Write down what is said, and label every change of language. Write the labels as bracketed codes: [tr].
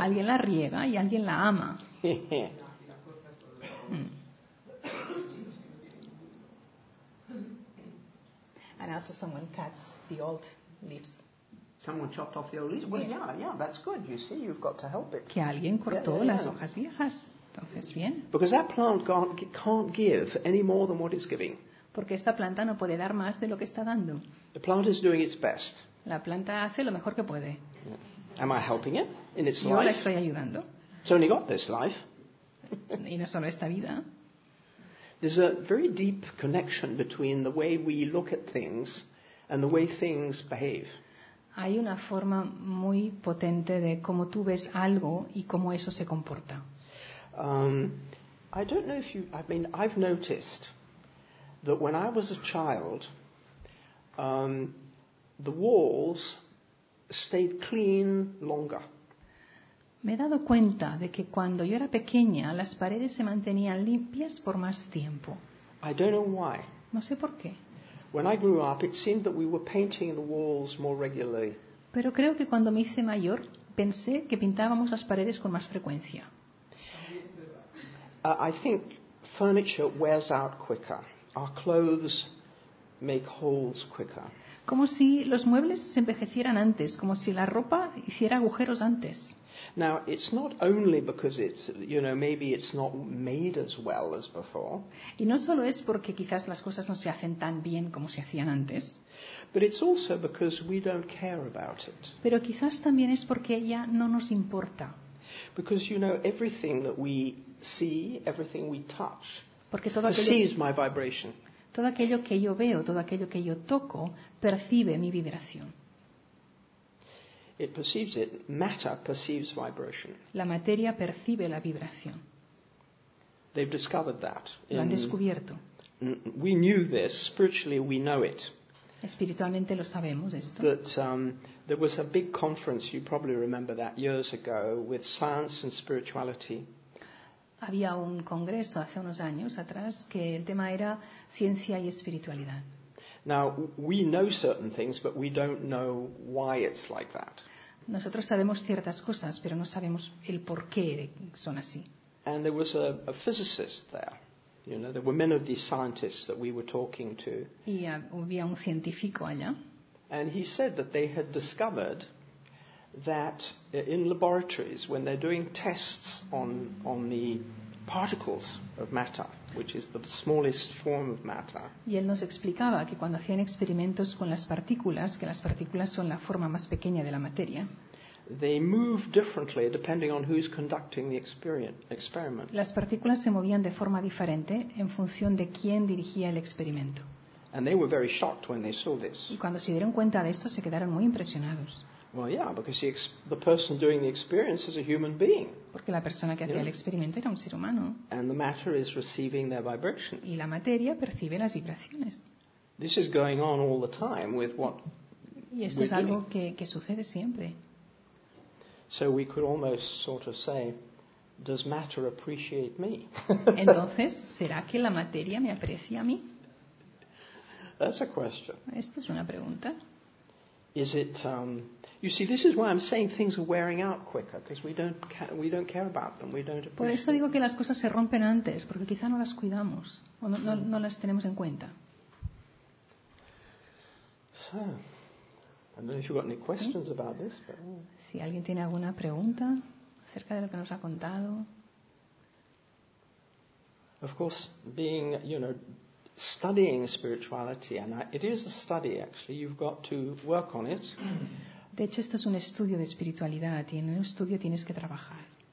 [es] Alguien la riega y alguien la ama. [en] And also someone cuts the old leaves. Someone chopped off the old leaves? Well, yeah, that's good. You see, you've got to help it. [es] Que alguien cortó las hojas viejas. Entonces, bien. [en] Because that plant can't give any more than what it's giving. [es] Porque esta planta no puede dar más de lo que está dando. [en] The plant is doing its best. [es] La planta hace lo mejor que puede. [en] Yeah. Am I helping it in its [es] Yo [en] life? [es] La estoy ayudando. [en] It's only got this life. [es] Y no solo esta vida. [en] There's a very deep connection between the way we look at things and the way things behave. [es] Hay una forma muy potente de cómo tú ves algo y cómo eso se comporta. [en] I don't know if you. I mean, I've noticed that when I was a child, the walls stayed clean longer. [es] Me he dado cuenta de que cuando yo era pequeña las paredes se mantenían limpias por más tiempo. [en] I don't know why. [es] No sé por qué. [en] When I grew up, it seemed that we were painting the walls more regularly. [es] Pero creo que cuando me hice mayor pensé que pintábamos las paredes con más frecuencia. [en] I think furniture wears out quicker. Our clothes make holes quicker. [es] Como si los muebles se envejecieran antes, como si la ropa hiciera agujeros antes. [en] Now, it's not only because it's, you know, maybe it's not made as well as before. [es] Y no solo es porque quizás las cosas no se hacen tan bien como se hacían antes. [en] But it's also because we don't care about it. [es] Pero quizás también es porque ya no nos importa. [en] Because, you know, everything that we see, everything we touch, [es] Porque todo aquello, [en] perceives my vibration. [es] Todo aquello que yo veo, todo aquello que yo toco, percibe mi vibración. [en] It perceives it. Matter perceives vibration. [es] La materia percibe la vibración. [en] They've discovered that. [es] Lo han descubierto. [en] We knew this. Spiritually, we know it. [es] Espiritualmente lo sabemos esto. [en] But there was a big conference, you probably remember that, years ago, with science and spirituality. [es] Había un congreso hace unos años atrás que el tema era ciencia y espiritualidad. [en] Now, we know certain things, but we don't know why it's like that. [es] Nosotros sabemos ciertas cosas, pero no sabemos el por qué son así. [en] And there was a physicist there. You know, there were many of these scientists that we were talking to. [es] Y había un científico allá. [en] And he said that they had discovered that in laboratories, when they're doing tests on the particles of matter, which is the smallest form of matter. [es] Y él nos explicaba que cuando hacían experimentos con las partículas, que las partículas son la forma más pequeña de la materia. [en] They move differently depending on who's conducting the experiment. [es] Las partículas se movían de forma diferente en función de quién dirigía el experimento. [en] And they were very shocked when they saw this. [es] Y cuando se dieron cuenta de esto, se quedaron muy impresionados. [en] Well, yeah, because the person doing the experience is a human being. [es] Porque la persona que hacía el experimento era un ser humano. [en] And the matter is receiving their vibration. [es] Y la materia percibe las vibraciones. [en] This is going on all the time with what. [es] Y esto es algo que sucede siempre. [en] So we could almost sort of say, does matter appreciate me? [es] Entonces, ¿será que la materia me aprecia a mí? [en] That's a question. [es] Esta es una pregunta. [en] Is it you see, this is why I'm saying things are wearing out quicker, because we don't care about them. We don't appreciate. [es] Por eso digo que las cosas se rompen antes, porque quizá no las cuidamos o no las tenemos en cuenta. [en] So, I don't know if you've got any questions. [es] ¿Sí? [en] About this, but. [es] Si alguien tiene alguna pregunta acerca de lo que nos ha contado. [en] Of course, being, you know, studying spirituality, and it is a study actually. You've got to work on it. [es] De hecho, esto es un estudio de espiritualidad, y en un estudio tienes que trabajar.